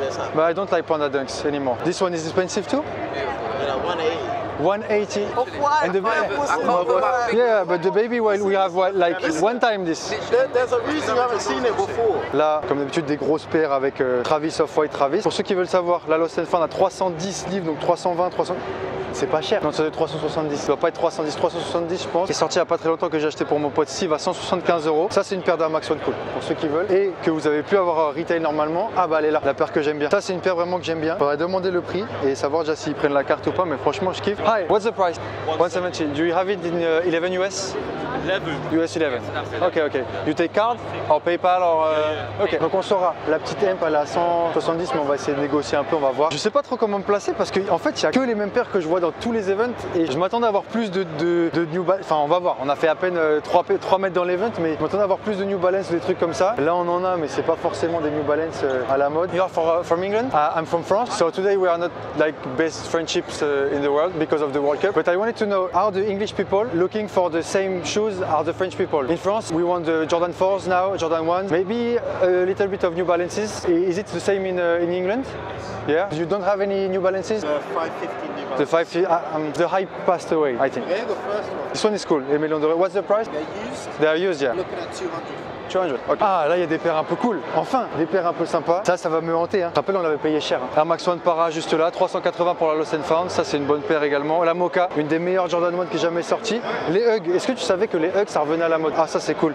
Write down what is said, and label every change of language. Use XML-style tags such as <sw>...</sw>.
<en>it's not. But I don't like Panda Dunks anymore. This one is expensive too? Yeah, 180. 180. Of what? And the baby. Yeah, but the baby, well, we have what, like one time this. There's a reason you haven't seen it before.</en> <fr>Là, comme d'habitude, des grosses paires avec Travis Off-White Travis. Pour ceux qui veulent savoir, la Lost and Found a 310 livres, donc 320, 300. C'est pas cher. Non, c'est de 370. Ça doit pas être 310. 370, je pense. C'est sorti il y a pas très longtemps, que j'ai acheté pour mon pote Steve à 175€. Ça, c'est une paire d'Air Max One Cool pour ceux qui veulent. Et que vous avez pu avoir retail normalement. Ah, bah, elle est là. La paire que j'aime bien. Ça, c'est une paire vraiment que j'aime bien. Faudrait demander le prix et savoir déjà s'ils prennent la carte ou pas. Mais franchement, je kiffe.</fr> <en>Hi, what's the price? 170. Do you have it in 11 US? 11. US 11. Ok, ok. You take card or PayPal or. Ok.</en> <fr>Donc, on saura. La petite Amp, elle est à 170. Mais on va essayer de négocier un peu. On va voir. Je sais pas trop comment me placer parce que, en fait, il y a que les mêmes paires que je vois dans tous les events et je m'attendais à avoir plus de New Balance. Enfin, on va voir, on a fait à peine 3 mètres dans l'event, mais je m'attendais à avoir plus de New Balance, des trucs comme ça. Là, on en a, mais c'est pas forcément des New Balance à la mode.</fr> <en>You are from England? I'm from France. So today we are not like best friendships in the world because of the World Cup. But I wanted to know, are the English people looking for the same shoes as the French people? In France, we want the Jordan 4s now, Jordan 1s, maybe a little bit of New Balances. Is it the same in England? Yeah. You don't have any New Balances? The 550. The 5 feet, the hype passed away, I think. Yeah, the first one. This one is cool,</en> <fr>les millions d'euros.</fr> <en>What's the price? They are used, yeah. Looking at 200.</en> <fr>200, okay. Ah, là, il y a des paires un peu cool. Enfin, des paires un peu sympas. Ça, ça va me hanter. Hein. Je rappelle, on l'avait payé cher. Hein. Air Max One Para juste là, 380 pour la Lost and Found. Ça, c'est une bonne paire également. La Mocha, une des meilleures Jordan 1 qui est jamais sortie. Les Hugs, est-ce que tu savais que les Hugs, ça revenait à la mode? Ah, ça, c'est cool.</fr>